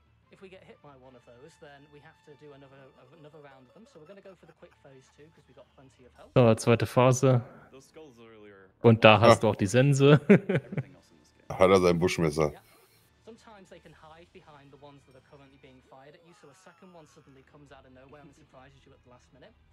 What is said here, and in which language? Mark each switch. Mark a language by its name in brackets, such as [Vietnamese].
[English] If we get hit by one of those, then we have to do another round of them. So we're going to go for the quick phase too, because we've got plenty of health. So, [German] zweite Phase. Und da hast du auch die Sense. Hat er sein Buschmesser. [English] Sometimes they can hide behind the ones that are currently being fired at you, so a second one suddenly comes out of nowhere and surprises you at the last minute.